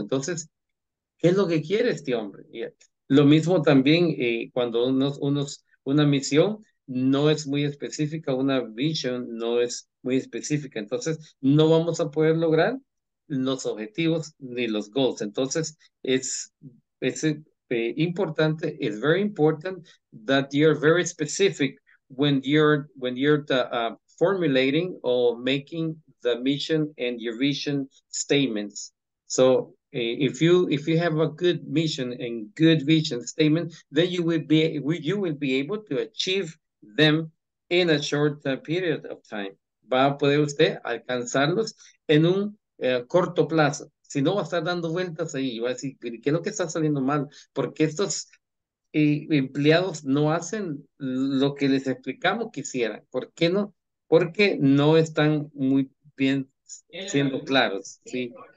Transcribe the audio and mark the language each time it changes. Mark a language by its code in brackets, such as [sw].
[es] Entonces, ¿qué es lo que quiere este hombre? Lo mismo también cuando una misión no es muy específica, una visión no es muy específica. Entonces, no vamos a poder lograr los objetivos ni los goals. Entonces, es importante, [en] it's very important that you're very specific when you're formulating or making the mission and your vision statements. So if you have a good mission and good vision statement, then you will be able to achieve them in a short period of time. [es] Va a poder usted alcanzarlos en un corto plazo. Si no, va a estar dando vueltas ahí y va a decir, ¿qué es lo que está saliendo mal? Porque estos empleados no hacen lo que les explicamos que hicieran. ¿Por qué no? Porque no están muy bien siendo claros, ¿sí?